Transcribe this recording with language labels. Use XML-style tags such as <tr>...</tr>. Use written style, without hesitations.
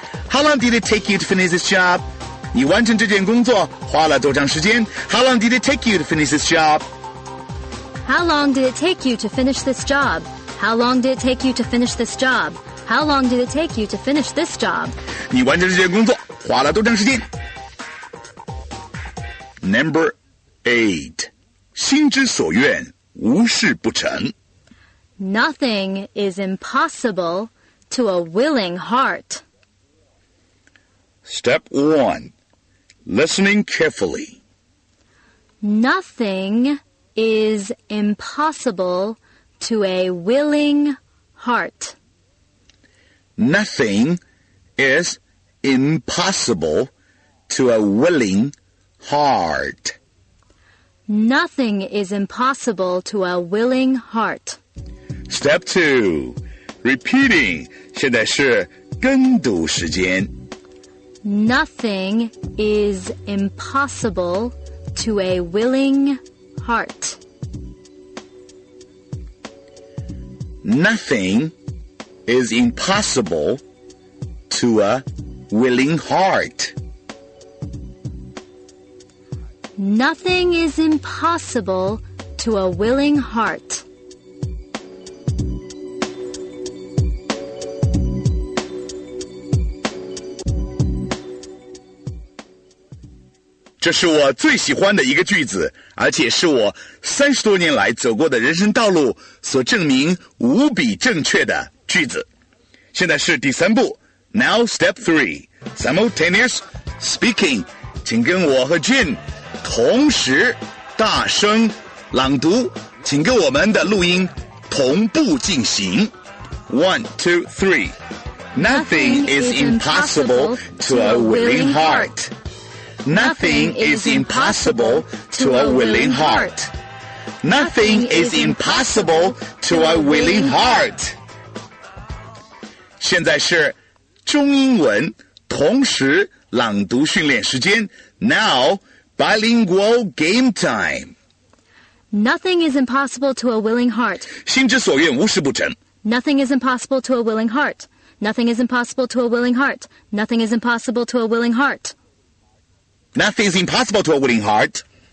<en>How long did it take you to finish this job?</en> <zh>你完成这件工作花了多长时间</zh> <en>?How long did it take you to finish this job? How long did it take you to finish this job? How long did it take you to finish this job? How long did it take you to finish this job?</en> <zh>你完成这件工作花了多长时间 ?</zh> <en>Number 8.</en> <zh>心之所愿无事不成。</zh> <en>Nothing is impossible to a willing heart. Step 1. Listening carefully. Nothing is impossible to a willing heart. Nothing is impossible to a willing heart. Nothing is impossible to a willing heart. Step 2, repeating,</en> <zh>现在是跟读时间。</zh> <en>Nothing is impossible to a willing heart. Nothing is impossible to a willing heart. Nothing is impossible to a willing heart.</en> <zh>这是我最喜欢的一个句子，而且是我30多年来走过的人生道路所证明无比正确的句子。现在是第三步</zh> <en>Now step 3 Simultaneous speaking</en> <zh>请跟我和 Jin 同时大声朗读，请跟我们的录音同步进行 1, 2, 3</zh> <en>Nothing is impossible to a willing heart Nothing is impossible to a willing heart. Nothing is impossible to a willing heart.</en> <zh>现在是中英文同时朗读训练时间。</zh> <en>Now, bilingual game time. Nothing is impossible to a willing heart.</en> <zh>心之所愿无事不成。</zh> <en>Nothing is impossible to a willing heart. Nothing is impossible to a willing heart. Nothing is impossible to a willing heart. Nothing is impossible to a willing heart.</en>